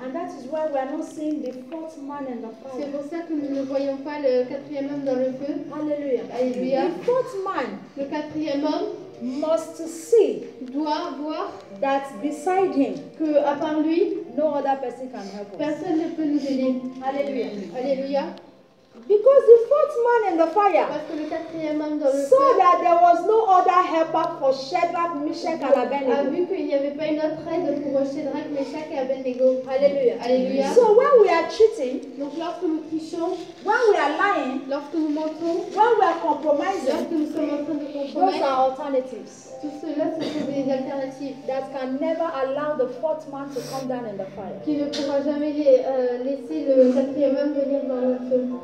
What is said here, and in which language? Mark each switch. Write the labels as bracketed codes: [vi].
[en] And that is why we are not seeing the fourth man in the fire. [fr] C'est pour ça que nous ne voyons pas le quatrième homme dans le feu. [en] Hallelujah. Hallelujah. The fourth man. [fr] Le quatrième homme. [en] Must see. [fr] Doit voir. [en] That beside him. [fr] Que à part lui. [en] No other person can help us. [fr] Personne ne peut nous aider. Alléluia. Alléluia. [en] Because the fourth man in the fire. [fr] Parce que le quatrième homme dans le feu. [en] Saw that there was no other helper for Shadrach, Meshach, and Abednego. [fr] A vu qu'il n'y avait pas une autre aide pour Shadrach, Meshach, et Abednego. Alléluia. Alléluia. [en] So when we are cheating. [fr] Donc lorsque nous trichons. [en] When we are lying. [fr] Lorsque nous mentons. [en] When we are compromising. [fr] Lorsque nous sommes en train de compromettre. [en] Those are alternatives. [fr] Tout cela, ce sont des alternatives. [en] That can never allow the fourth man to come down in the fire. [fr] Qui ne pourra jamais laisser le quatrième homme venir dans le feu.